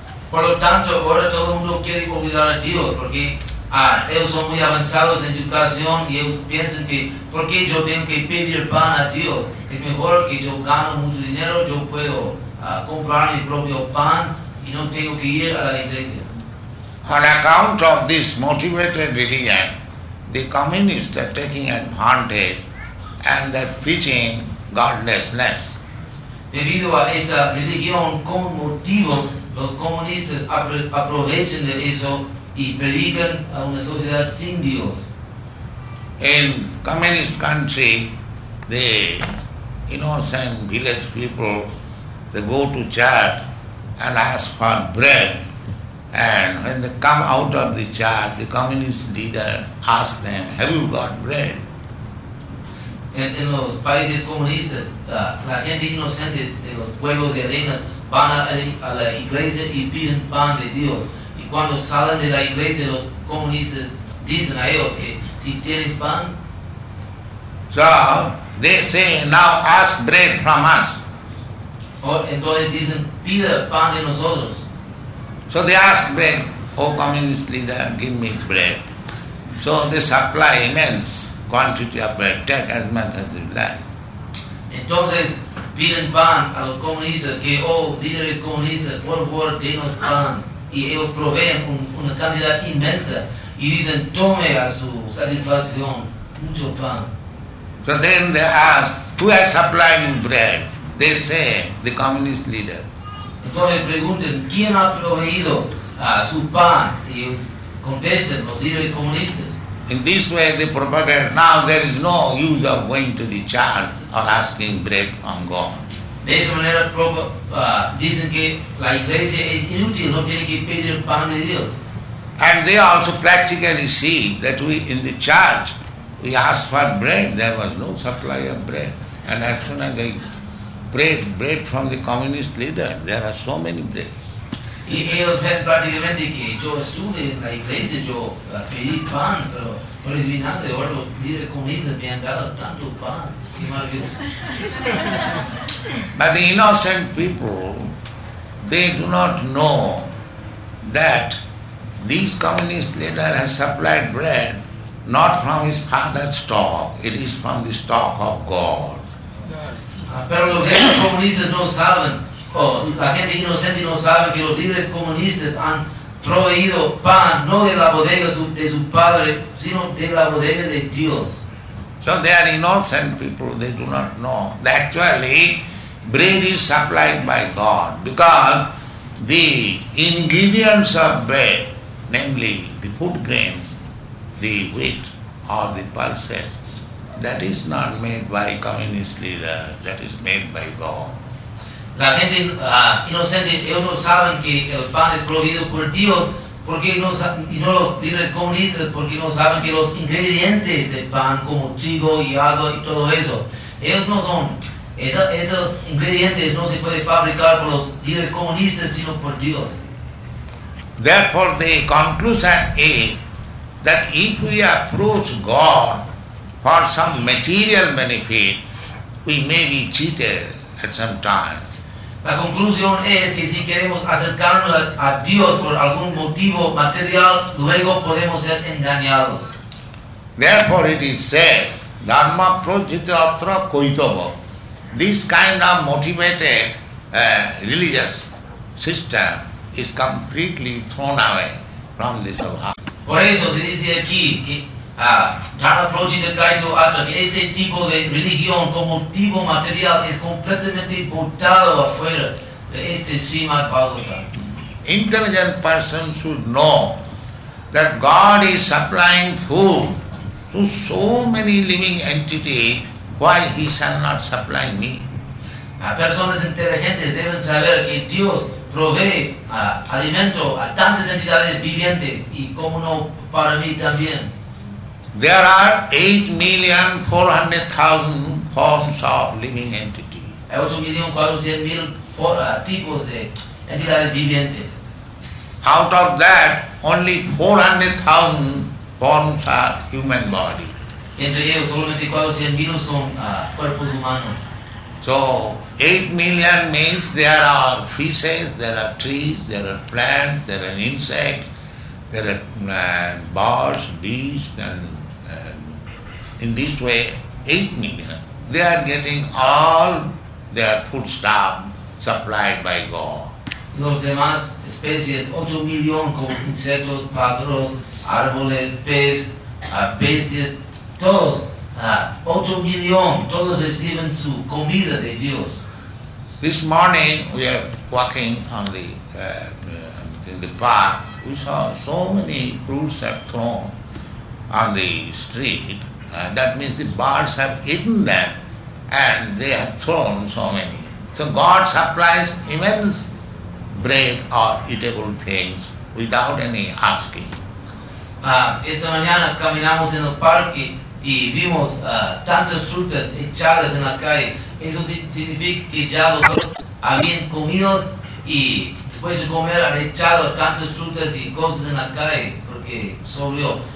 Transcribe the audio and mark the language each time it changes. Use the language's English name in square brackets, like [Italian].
[Spanish] Por lo tanto, ahora todo el mundo quiere olvidar a Dios porque ellos son muy avanzados en educación y ellos piensan que ¿por qué yo tengo que pedir pan a Dios? Es mejor que yo gano mucho dinero, yo puedo comprar mi propio pan y no tengo que ir a la iglesia. [English] On account of this motivated religion, the communists are taking advantage and they're preaching godlessness. [Spanish] Debido a esta religión con motivo, los comunistas aprovechan de eso y predican a una sociedad sin Dios. [English] In communist country, the innocent village people, they go to church and ask for bread. And when they come out of the church, the communist leader asks them, have you got bread? [Spanish] En los países comunistas, la gente inocente de los pueblos de arena van a la iglesia y piden pan de Dios. Y cuando salen de la iglesia, los comunistas dicen a ellos que si tienes pan. [English] So, they say, now ask bread from us. [Spanish] Entonces dicen, pide pan de nosotros. [English] So they ask bread, oh communist leader, give me bread. So they supply immense quantity of bread, take as much as you like. [Spanish] Entonces piden pan a los comunistas que, oh líderes comunistas, por favor denos pan. Y ellos proveen una cantidad inmensa y dicen, tome a su satisfacción mucho pan. [English] So then they ask, who has supplied you bread? They say, the communist leader. [Spanish] Entonces pregunten, ¿quién ha proveído su pan? Y contesten, los líderes comunistas. [English] In this way they propagate, now there is no use of going to the church or asking bread from God. [Spanish] De esa manera dicen que la iglesia es inútil, no tiene que pedir pan de Dios. [English] And they also practically see that we in the church, we asked for bread, there was no supply of bread. And as soon as they bread from the communist leader. There are so many bread. [Spanish] Y ellos ven prácticamente que yo estuve en la iglesia, yo pedí pan, pero por el final de hoy los líderes comunistas me han dado tanto pan. Qué maravilloso. [English] But the innocent people, they do not know that these communist leader has supplied bread not from his father's stock, it is from the stock of God. [Spanish] Pero los comunistas no saben, la gente inocente no sabe que los líderes comunistas han proveído pan, no de la bodega de su padre, sino de la bodega de Dios. [English] So they are innocent people, they do not know. Actually, bread is supplied by God because the ingredients of bread, namely the food grains, the wheat or the pulses, that is not made by communist leader, that is made by God. [Spanish] La gente inocente, ellos no saben que el pan es proveído por Dios, porque no saben, y no los líderes comunistas, porque no saben que los ingredientes del pan, como trigo y agua y todo eso, ellos no son, esos ingredientes no se pueden fabricar por los líderes comunistas, sino por Dios. [English] Therefore, the conclusion is that if we approach God for some material benefit, we may be cheated at some time. [Spanish] La conclusión es que si queremos acercarnos a Dios por algún motivo material, luego podemos ser engañados. [English] Therefore it is said, [Sanskrit] dharma prajita atra koitava. [English] This kind of motivated religious system is completely thrown away from the sabha. [Spanish] Por eso se dice aquí que [Sanskrit] dharma prajita kaito atra, [Spanish] que este tipo de religión con motivo material es completamente botado afuera de este Srimad Bhagavatam. [English] Intelligent person should know that God is supplying food to so many living entities, why he shall not supply me? [Spanish] Personas inteligentes deben saber que Dios provee alimento a tantas entidades vivientes y como no para mí también. [English] There are 8,400,000 forms of living entities. [Spanish] Hay 8,400,000 tipos de entidades vivientes. [English] Out of that, only 400,000 forms are human body. [Spanish] Entre ellos solamente 400 mil son cuerpos humanos. [English] So 8 million means there are fishes, there are trees, there are plants, there are insects, there are birds, beasts, and in this way 8 million. They are getting all their foodstuff supplied by God. [Spanish] Los demás especies, 8 million como insectos, pájaros, árboles, peces, todos. 8 million, todos reciben su comida de Dios. [English] This morning we are walking on the in the park. We saw so many fruits are thrown on the street. That means the birds have eaten them, and they have thrown so many. So God supplies immense bread or eatable things without any asking. [Spanish] Esta mañana caminamos en el parque y vimos tantas frutas echadas en la calle. Eso significa que ya los habían comido y después de comer han echado tantas frutas y cosas en la calle porque sobrió.